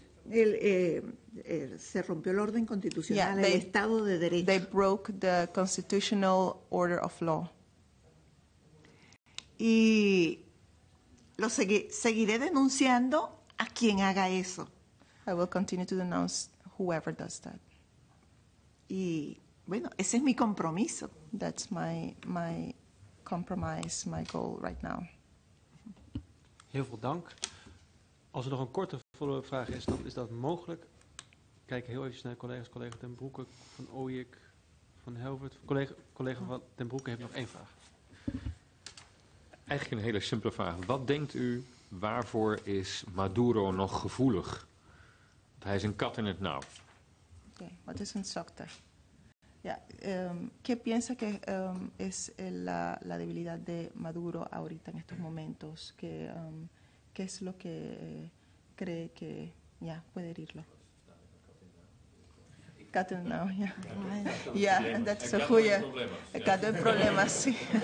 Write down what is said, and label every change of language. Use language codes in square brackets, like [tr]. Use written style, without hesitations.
[es] se rompió el orden constitucional, el Estado de Derecho. [en] They broke the constitutional order of law. [es] Y lo seguiré denunciando a quien haga eso. [en] I will continue to denounce whoever does that. [es] Y bueno, ese es mi compromiso. [en] That's my compromise, my goal right now. [nl] Heel veel dank. Als er nog een korte follow-up vraag is, dan is dat mogelijk. Ik kijk heel even naar collega Den Broeke van Ooyek, van Helvert. Collega van Den Broeke heeft nog één vraag. Eigenlijk een hele simpele vraag. Wat denkt u, waarvoor is Maduro nog gevoelig? Want hij is een kat in het nauw. Oké, wat is een zwakte? [es] Ja, ¿qué piensa que es la debilidad de Maduro ahorita en estos momentos? ¿Qué es lo que cree que ya puede herirlo? Gato no, ya. Ya, eso huye. Gato en problemas, sí.